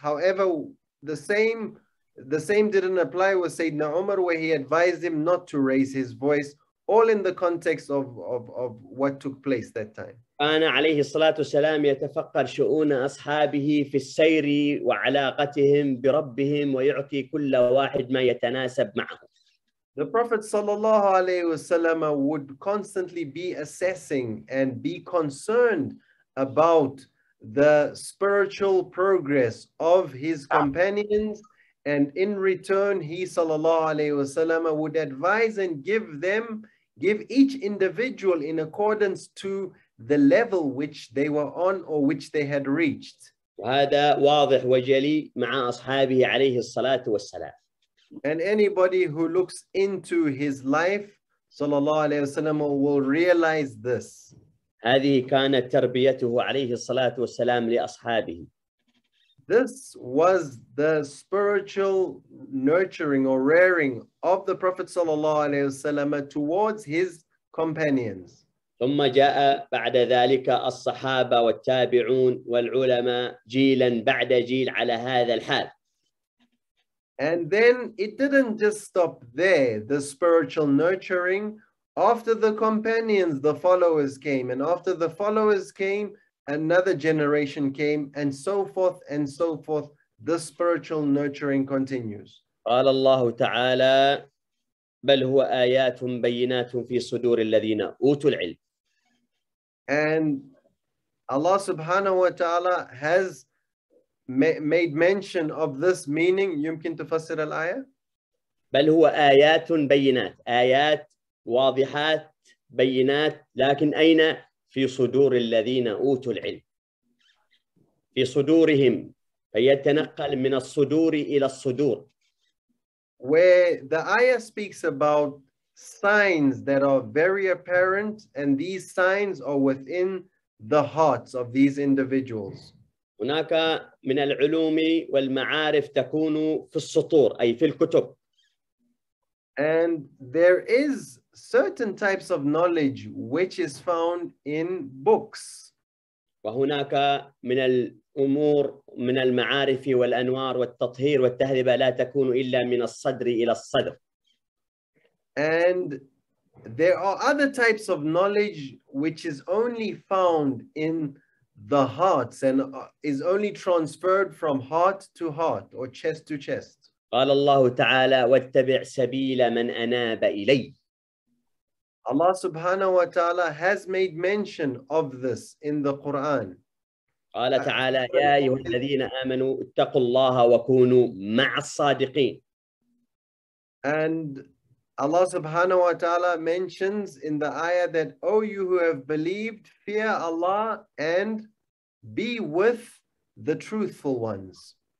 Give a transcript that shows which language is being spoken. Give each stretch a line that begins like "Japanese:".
English: However, the same didn't apply with Sayyidina Umar, where he advised him not to raise his voice, all in the context of what took place that time.
Arabic: كان عليه الصلاة والسلام يتفقر شؤون أصحابه في السير وعلاقتهم بربهم ويعطي كل واحد ما يتناسب معه.
English: The Prophet sallallahu alayhi wasallam would constantly be assessing and be concerned about the spiritual progress of his companions, and in return he sallallahu alayhi wasallam would advise and give each individual in accordance to the level which they were on or which they had reached.
Arabic: وهذا واضح وجلي مع أصحابه عليه الصلاة والسلام.
English: And anybody who looks into his life sallallahu alayhi wasallam will realize this.
Arabic: هذه كانت تربيته عليه الصلاة والسلام لأصحابه.
English: This was the spiritual nurturing or rearing of the Prophet صلى الله عليه وسلم towards his companions.
Arabic: ثم جاء بعد ذلك الصحابة والتابعون والعلماء جيلا بعد جيل على هذا الحال.
English: And then it didn't just stop there, the spiritual nurturing. After the companions, the followers came, and after the followers came, another generation came, and so forth, the spiritual nurturing continues.
Arabic: قال الله تعالى بل هو آيات بينات في صدور الذين أوتوا العلم.
English: And Allah subhanahu wa ta'ala has made mention of this meaning.
Arabic: يمكن تفسر الآية؟ بل هو آيات بينات، آيات واضحات بينات، لكن أين؟ في صدور الذين أوتوا العلم. في صدورهم، فيتنقل من الصدور إلى الصدور.
English: Where the ayah speaks about signs that are very apparent, and these signs are within the hearts of these individuals.
Arabic: هناك من العلوم والمعارف تكون في السطور أي في الكتب.
English: And there is certain types of knowledge which is found in books.
Arabic: وهناك من الأمور من المعارف والأنوار والتطهير والتهذيب لا تكون إلا من الصدر إلى الصدر.
English: And there are other types of knowledge which is only found in the hearts and is only transferred from heart to heart or chest to chest.
Arabic: قال الله تعالى واتبع سبيل من أناب إلي.
English: Allah subhanahu wa ta'ala has made mention of this in the Quran.
Arabic: قال تعالى يا أيها الذين آمنوا اتقوا الله وكونوا مع الصادقين.
English: And Allah subhanahu wa ta'ala mentions in the ayah that, O you who have believed, fear Allah and be with the truthful ones.